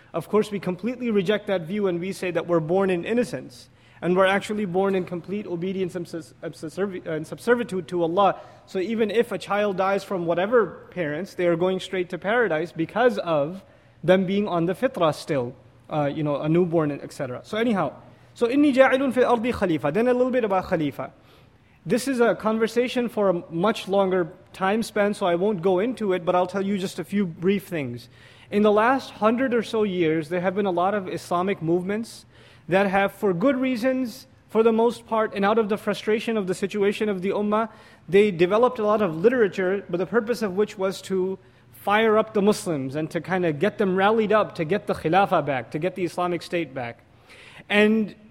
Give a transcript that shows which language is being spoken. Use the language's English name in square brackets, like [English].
[English] Of course, we completely reject that view and we say that we're born in innocence and we're actually born in complete obedience and subservitude to Allah. So even if a child dies from whatever parents, they are going straight to paradise because of them being on the fitrah still, a newborn, etc. So anyhow, so [Arabic] إِنِّي جَاعِلٌ فِي الْأَرْضِ خَلِيفَةً. [English] Then a little bit about khalifa. This is a conversation for a much longer time span, so I won't go into it, but I'll tell you just a few brief things. In the last 100 or so years, there have been a lot of Islamic movements that have, for good reasons, for the most part, and out of the frustration of the situation of the ummah, they developed a lot of literature, but the purpose of which was to fire up the Muslims and to kind of get them rallied up, to get the Khilafah back, to get the Islamic State back. And